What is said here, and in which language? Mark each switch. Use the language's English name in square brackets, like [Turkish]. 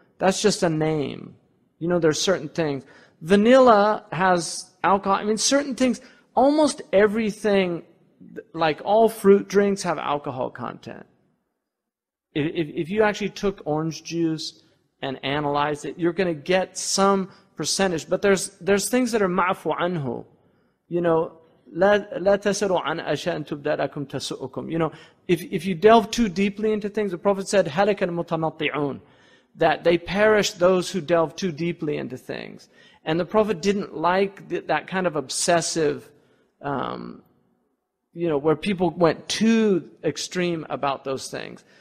[English] That's just a name. You know, there's certain things. Vanilla has alcohol. I mean, certain things, almost everything, like all fruit drinks have alcohol content. If you actually took orange juice and analyzed it, you're going to get some percentage. But there's things that are ma'fu anhu, you know. [Arabic] لا تسألوا عن أشياء تبدأ لكم تسؤكم. [English] You know, if you delve too deeply into things, the Prophet said, [Arabic] هلك المتنطعون, [English] that they perish those who delve too deeply into things. And the Prophet didn't like that kind of obsessive, you know, where people went too extreme about those things.